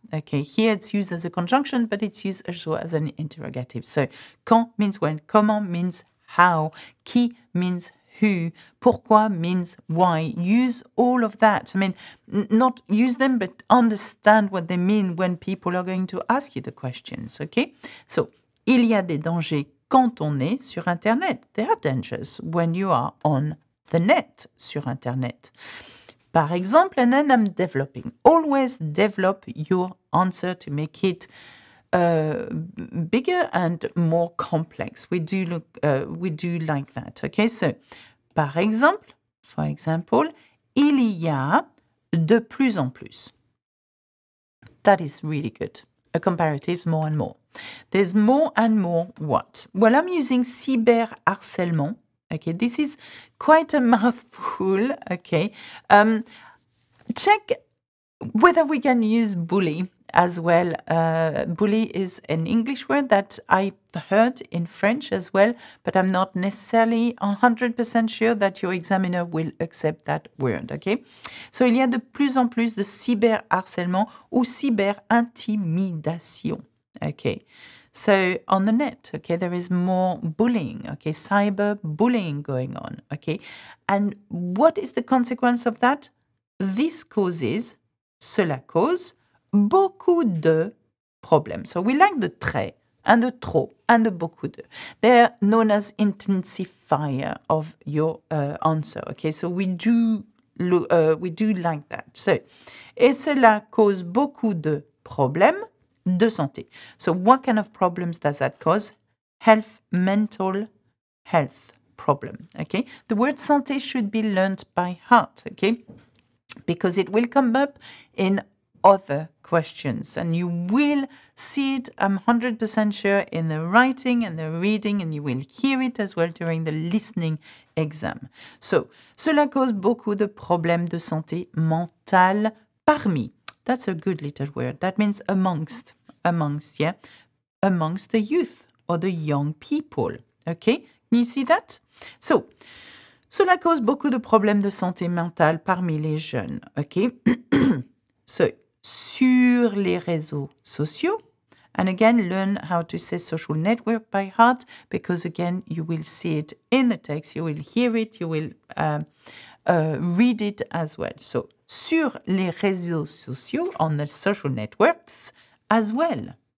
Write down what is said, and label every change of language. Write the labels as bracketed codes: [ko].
[en] Okay, here it's used as a conjunction, but it's used also as an interrogative. So, quand means when, comment means how, qui means who, pourquoi means why. Use all of that. I mean, not use them, but understand what they mean when people are going to ask you the questions, okay? [fr] So, il y a des dangers quand on est sur Internet. [en] There are dangers when you are on the net, [fr] sur Internet. Par exemple, [en] and then I'm developing. Always develop your answer to make it bigger and more complex. We do like that. [fr] Okay, so, par exemple, [en] for example, [fr] il y a de plus en plus. [en] That is really good. A comparative, more and more. There's more and more what? Well, I'm using cyberharcèlement. Okay, this is quite a mouthful, okay. Check whether we can use bully as well. Bully is an English word that I've heard in French as well, but I'm not necessarily 100% sure that your examiner will accept that word, okay. [fr] So, il y a de plus en plus de cyberharcèlement ou cyberintimidation, okay. [en] So, on the net, okay, there is more bullying, okay, cyber bullying going on, okay. And what is the consequence of that? This causes, [fr] cela cause, beaucoup de problèmes. [en] So, we like the très, and the trop, and the beaucoup de. They're known as intensifier of your answer, okay. So, we do like that. [fr] So, et cela cause beaucoup de problèmes. De santé. [en] So, what kind of problems does that cause? Health, mental health problem. Okay. The word santé should be learned by heart. Okay. Because it will come up in other questions. And you will see it, I'm 100% sure, in the writing and the reading, and you will hear it as well during the listening exam. [fr] So, cela cause beaucoup de problèmes de santé mentale parmi. [en] That's a good little word. That means amongst the youth or the young people. Okay, can you see that? [fr] So, cela cause beaucoup de problèmes de santé mentale parmi les jeunes. Okay, so, sur les réseaux sociaux. [en] And again, learn how to say social network by heart, because again, you will see it in the text, you will hear it, you will read it as well. So, [fr] sur les réseaux sociaux, [en] on the social networks as well.